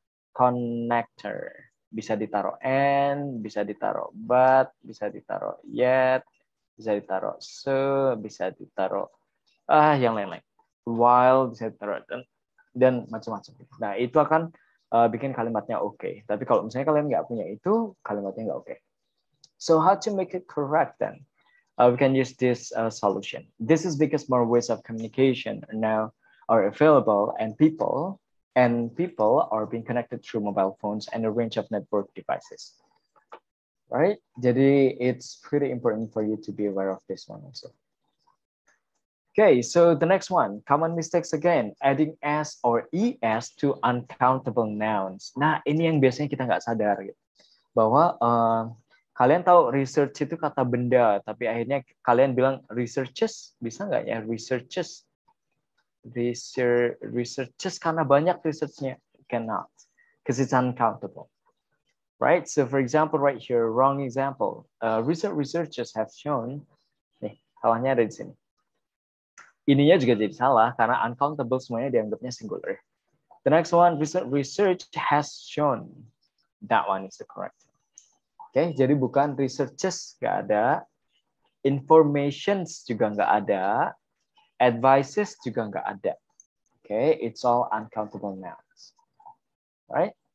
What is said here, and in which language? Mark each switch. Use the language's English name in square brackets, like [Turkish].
[Indonesian] Connector, bisa ditaruh and, bisa ditaruh but, bisa ditaruh yet, bisa ditaruh so, bisa ditaruh yang lain-lain, while, bisa ditaruh dan macam-macam. Nah itu akan bikin kalimatnya okay. Tapi kalau misalnya kalian nggak punya itu, kalimatnya nggak okay. [English] So how to make it correct then? We can use this solution. This is because more ways of communication now are available and people are being connected through mobile phones and a range of network devices, right? Jadi it's pretty important for you to be aware of this one also. Okay, so the next one, common mistakes again, adding S or ES to uncountable nouns. [Indonesian] Nah, ini yang biasanya kita nggak sadar, gitu. Bahwa kalian tahu research itu kata benda, tapi akhirnya kalian bilang researches, bisa nggak ya, researches? [English] Researches [Indonesian] karena banyak researchnya, [English] cannot, because it's uncountable, right? So for example, right here, wrong example. Recent researchers have shown, [Indonesian] nih, salahnya ada di sini. Ininya juga jadi salah karena uncountable semuanya dianggapnya singular. [English] The next one, recent research has shown, that one is the correct. [Indonesian] Okay, jadi bukan researches nggak ada, informations juga nggak ada, advices juga nggak ada. [English] Okay, it's all uncountable nouns. All right?